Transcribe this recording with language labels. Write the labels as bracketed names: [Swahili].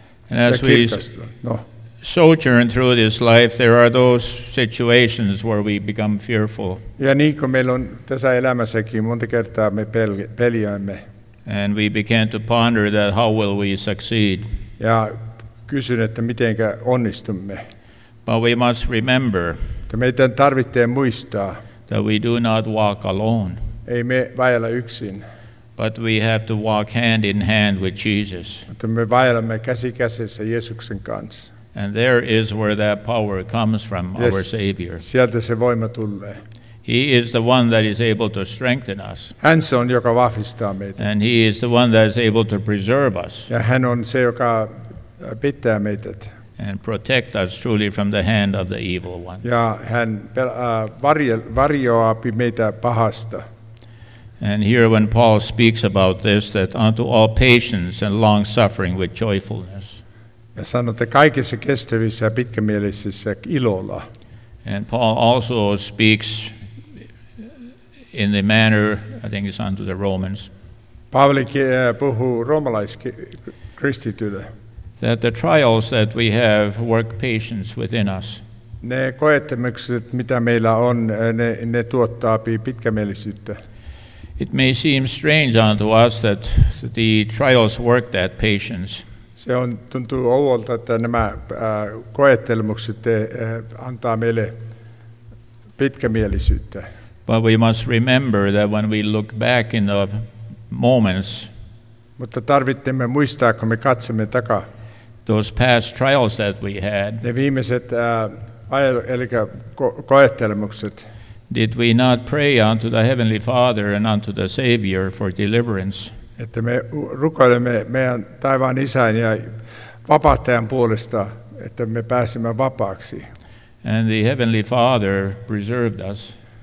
[English] And as we sojourn through this life, there are those situations where we become fearful. [Finnish] Ja niin kuin meillä on tässä elämässäkin, monta kertaa me peljäämme. [English] And we began to ponder that how will we succeed. [Finnish] Ja kysyn, että mitenkä onnistumme. [English] But we must remember [Finnish] että meidän tarvitsee muistaa [English] that we do not walk alone. [Finnish] Ei me vaella yksin. [English] But we have to walk hand in hand with Jesus. [Finnish] Mutta me vaellamme käsi kädessä Jeesuksen kanssa. [English] And there is where that power comes from, our Savior. [Finnish] Sieltä se voima tulee. [English] He is the one that is able to strengthen us. [Finnish] Hän se on, joka vahvistaa meitä. [English] And he is the one that is able to preserve us. [Finnish] Ja hän on se, joka pitää meitä. [English] And protect us truly from the hand of the evil one. [Finnish] Ja hän varjoaa meitä pahasta. [English] And here when Paul speaks about this, that unto all patience and long suffering with joyfulness. [Finnish] Ja sanotte kaikissa kestävissä ja pitkämielisissä ilolla. [English] And Paul also speaks in the manner, I think it's unto the Romans. [Finnish] Paavali puhuu roomalaiske kristitylle. [English] That the trials that we have work patience within us. [Finnish] Ne koettemukset, mitä meillä on, ne tuottaa pitkämielisyyttä. [English] It may seem strange unto us that the trials work that patience. [Finnish] Se on tuntuu oudolta, että nämä koettelemukset antaa meille pitkämielisyyttä. [English] But we must remember that when we look back in the moments. [Finnish] Mutta tarvitsemme muistaa, kun me katsomme takaa. [English] Those past trials that we had. [Finnish] Ne viimeiset eli koettelemukset. [English] Did we not pray unto the Heavenly Father and unto the Savior for deliverance? [Finnish] Että me rukoilemme meidän taivaan isän ja vapahtajan puolesta, että me pääsimme vapaaksi. [English] And the Heavenly Father preserved us.